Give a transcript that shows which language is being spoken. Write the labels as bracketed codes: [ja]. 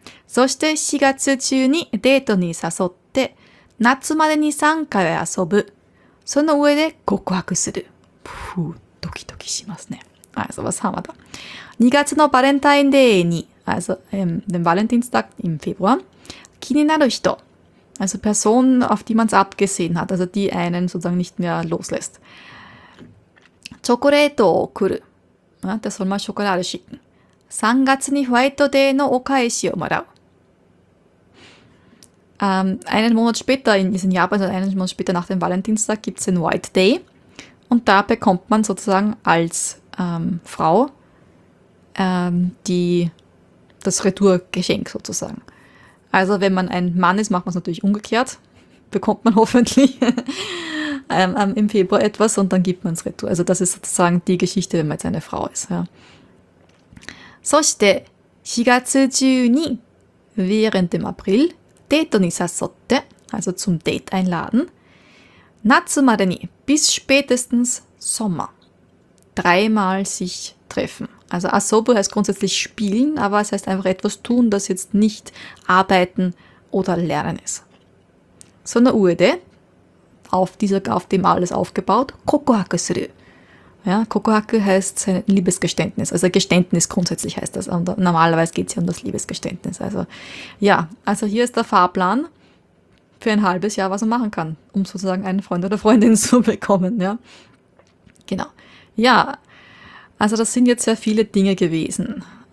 [ja] そして4月中にデートに誘って、夏までに3回遊ぶ。その上で告白する。ふぅ、ドキドキしますね。あ、そばさまだ。 2月のバレンタインデーに、あ、そ、バレンタインスタッフ [de] in Februar。 [ja] 気になる人。 [de] Also Personen, auf die man es abgesehen hat, also die einen sozusagen nicht mehr loslässt. [ja] Chocolate を送る。あ、で、そのままチョコレート [de] schicken。 [ja] 3月にホワイトデーのお返しをもらう。 [de] Einen Monat später, in Japan, also einen Monat später nach dem Valentinstag, gibt es den White Day. Und da bekommt man sozusagen als Frau das Retourgeschenk sozusagen. Also wenn man ein Mann ist, macht man es natürlich umgekehrt. Bekommt man hoffentlich im Februar etwas und dann gibt man es retour. Also das ist sozusagen die Geschichte, wenn man jetzt eine Frau ist. Ja. [ja] そして4月中に [de] während dem April [ja] デートに誘って [de] also zum Date einladen [ja] 夏までに [de] bis spätestens Sommer dreimal sich treffen. Also asobu heißt grundsätzlich spielen, aber es heißt einfach etwas tun, das jetzt nicht arbeiten oder lernen ist. [ja] そのうえで [de] auf dem alles aufgebaut [ja] 告白する。 [de] Ja, Kokohaku heißt sein Liebesgeständnis. Also Geständnis grundsätzlich heißt das. Und normalerweise geht es ja um das Liebesgeständnis. Also ja, also hier ist der Fahrplan für ein halbes Jahr, was man machen kann, um sozusagen einen Freund oder Freundin zu bekommen. Ja, genau. Ja, also das sind jetzt sehr viele Dinge gewesen.